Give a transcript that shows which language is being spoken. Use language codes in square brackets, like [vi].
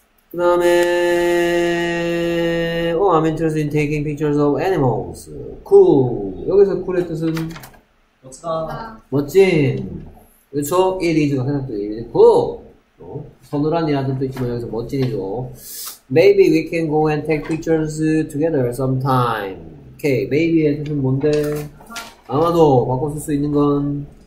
[ko] 그 다음에 [en] Oh, I'm interested in taking pictures of animals. Cool. [ko] 여기서 cool의 뜻은? 멋지다. 멋진. 그쵸? [en] It is가 [ko] 생각되죠. [en] It is cool. 어? [ko] 서늘한이라는 뜻도 있지만 여기서 멋진이죠. [en] Maybe we can go and take pictures together sometime. [ko] Okay, maybe의 뜻은 뭔데? 아마도 바꿔쓸 수 있는 건?